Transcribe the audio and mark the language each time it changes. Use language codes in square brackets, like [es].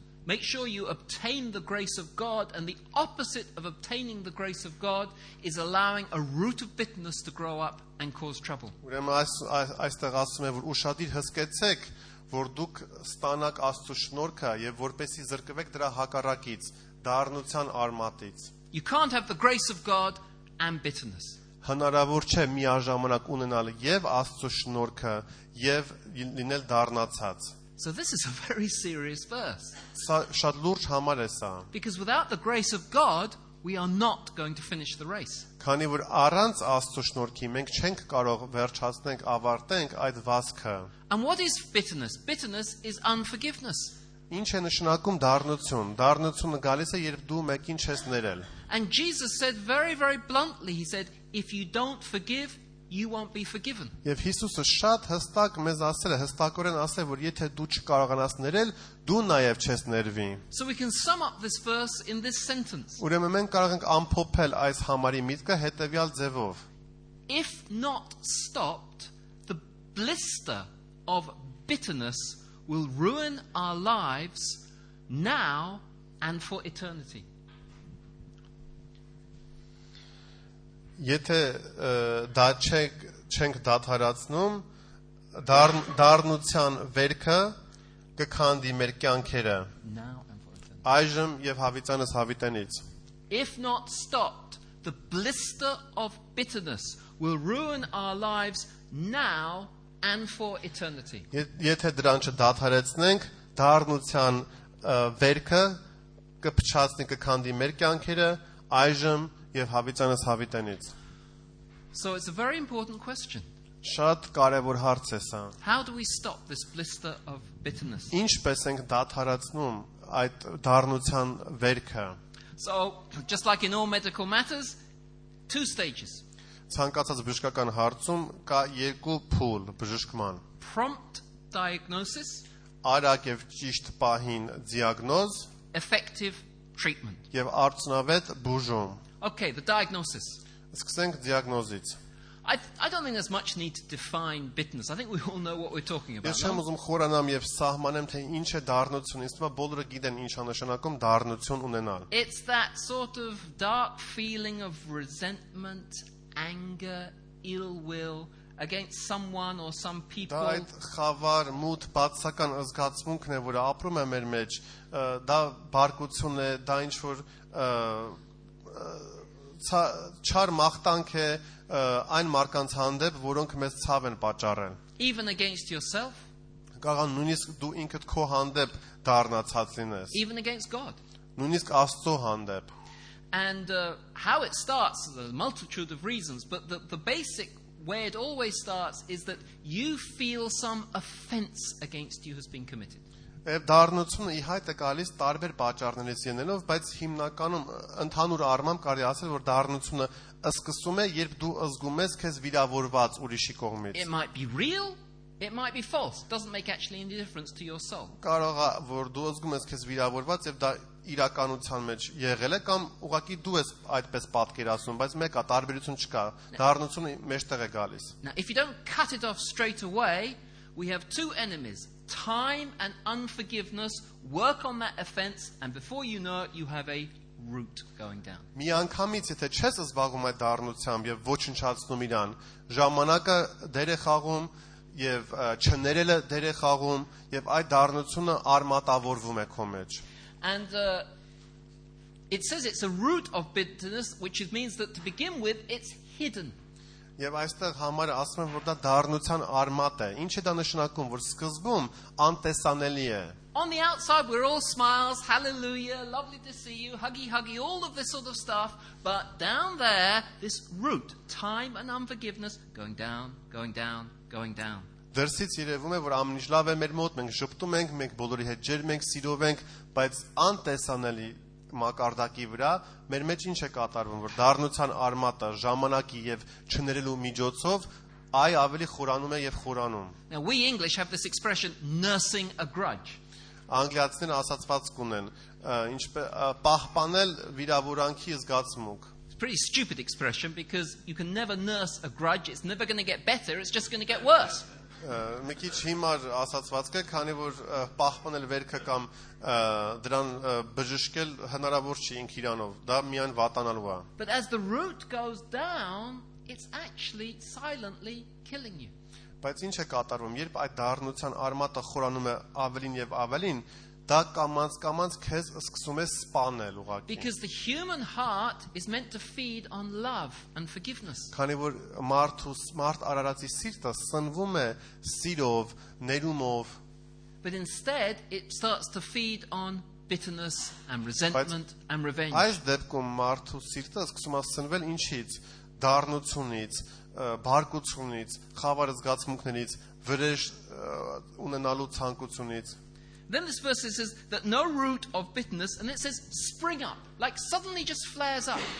[en] Make sure you obtain the grace of God, and the opposite of obtaining the grace of God is allowing a root of bitterness to grow up and cause trouble. [hy] Ուրեմն այստեղ ասում եմ, որ ուշադիր հսկեցեք, որ դուք ստանաք Աստծո շնորհքը եւ որպեսի զրկվեք դրա հակառակից, դառնության արմատից. [en] You can't have the grace of God and bitterness. [hy] Հնարավոր չէ միաժամանակ ունենալ եւ Աստծո շնորհքը եւ լինել դառնացած. [en] So this is a very serious verse. [hy] Սա շատ լուրջ համար է սա. [en] Because without the grace of God, we are not going to finish the race. [hy] Քանի որ առանց Աստծո շնորհքի մենք չենք կարող վերջացնենք, ավարտենք այդ վազքը. [en] And what is bitterness? Bitterness is unforgiveness. [hy] Ինչ է նշանակում դառնություն? Դառնությունը գալիս է, երբ դու մեկին չես ներել. [en] And Jesus said very, very bluntly, he said, if you don't forgive, you won't be forgiven. [hy] Եվ Հիսուսը շատ հստակ մեզ ասել է, հստակորեն ասել, որ եթե դու չկարողանաս ներել, դու նաև չես ներվի. [en] So we can sum up this verse in this sentence. [hy] Ուրեմն մենք կարող ենք ամփոփել այս համարի միտքը հետևյալ ձևով. [en] If not stopped, the blister of bitterness will ruin our lives now and for eternity. [hy] Եթե դա չենք դադարացնում, դառնության վերքը կքանդի մեր կյանքերը այժմ եւ հավիտենս հավիտենից. [en] If not stopped, the blister of bitterness will ruin our lives now and for eternity. [hy] Եթե դրան չդադարեցնենք, դառնության վերքը կփչացնի, կքանդի մեր կյանքերը այժմ եւ հավիտենս հավիտենից. [en] So it's a very important question. [hy] Շատ կարևոր հարց է սա. [en] How do we stop this blister of bitterness? [hy] Ինչպես ենք դադարացնում այդ դառնության վերքը? [en] So, just like in all medical matters, two stages. [hy] Ցանկացած բժշկական հարցում կա երկու փուլ բժշկման. [en] Prompt diagnosis. [hy] Արագ եւ ճիշտ պահին դիագնոզ. [en] Effective treatment. [hy] Եվ արդյունավետ բուժում. [en] Okay, the diagnosis. [hy] Սկսենք դիագնոզից. [en] I don't think there's much need to define bitterness. I think we all know what we're talking about. [hy] Ես չեմ ուզում խորանամ եւ սահմանեմ, թե ինչ է դառնություն, իսկ բոլորը գիտեն ինչ է նշանակում դառնություն ունենալ. [en] It's that sort of dark feeling of resentment, anger, ill will against someone or some people. [hy] Դա այդ խավար, մութ, բացական ազգացմունքն է, որը ապրում է մեր մեջ, դա բարկություն է, դա ինչ որ չար մախտանք է այն մարդկանց հանդեպ, որոնք մեզ ցավ են պատճառել։ [en] Even against yourself? [hy] Կարող նույնիսկ դու ինքդ քո հանդեպ դառնացած լինես։ [en] Even against God? [hy] Նույնիսկ Աստծո հանդեպ։ [en] And how it starts, there's a multitude of reasons, but the basic way it always starts is that you feel some offense against you has been committed. [hy] Եվ դառնությունը իհայտ է գալիս տարբեր պատճառներից ելնելով, բայց հիմնականում ընդհանուր առմամբ կարելի ասել, որ դառնությունը սկսում է, երբ դու ազգում ես քեզ վիրավորված ուրիշի կողմից։ [en] It might be real, it might be false, doesn't make actually any difference to your soul. [hy] Կարող է, որ դու ազգում ես քեզ վիրավորված եւ դա իրականության մեջ եղել է կամ ուղղակի դու ես այդպես պատկերացնում, բայց մեկա տարբերություն չկա։ Դառնությունը մեջտեղ է գալիս։ [en] Now if you don't cut it off straight away, we have two enemies: time and unforgiveness. Work on that offense, and before you know it, you have a root going down. [hy] Մի անգամից եթե չես զբաղվում այդ դառնությամբ եւ ոչնչացնում իրան, ժամանակը դեր է խաղում եւ չներելը դեր է խաղում եւ այդ դառնությունը արմատավորվում է քո մեջ։ [en] And It says it's a root of bitterness, which means that to begin with, it's hidden. [hy] Եվ այստեղ համարը ասում են, որ դա դառնության արմատ է։ Ինչ է դա նշանակում, որ սկզբում անտեսանելի է։ [en] On the outside we're all smiles, hallelujah, lovely to see you, huggy huggy, all of this sort of stuff, but down there this root, time and unforgiveness going down, going down, going down. [hy] Դրսից երևում է, որ ամեն ինչ լավ է մեր մոտ, մենք շփտում ենք, մենք բոլորի հետ ջերմ ենք, սիրով ենք, բայց անտեսանելի մակարդակի վրա մեր մեջ ինչ է կատարվում, որ դառնության արմատը ժամանակի եւ չներելու միջոցով այ ավելի խորանում է եւ խորանում։ [en] Now we English have this expression nursing a grudge. [hy] Անգլիացիներն ասացված կունեն, ինչպես պահպանել վիրավորանքի զգացմունք։ [en] Pretty stupid expression because you can never nurse a grudge. It's never going to get better, it's just going to get worse. [hy] Մի քիչ հիմար ասացվածքը, քանի որ պահպանել վերքը կամ դրան բժշկել հնարավոր չի ինք իրանով, դա միայն վատանալու է։ [en] But as the root goes down, it's actually silently killing you. [hy] Բայց ինչ է կատարվում, երբ այդ դառնության արմատը խորանում է ավելին եւ ավելին, դա կամած կամած քեզ սկսում է սպանել ուղղակի։ [en] Because the human heart is meant to feed on love and forgiveness. [hy] Քանի որ մարդուս մարդ արարածի սիրտը սնվում է սիրով, ներումով։ [en] But instead it starts to feed on bitterness and resentment and revenge. [hy] Այս դեպքում մարդուս սիրտը սկսում է սնվել ինչից՝ դառնությունից, բարկությունից, խավար զգացմունքներից, վրեժ ունենալու ցանկությունից։ [en] Then this verse says that no root of bitterness, and it says spring up, like suddenly just flares up.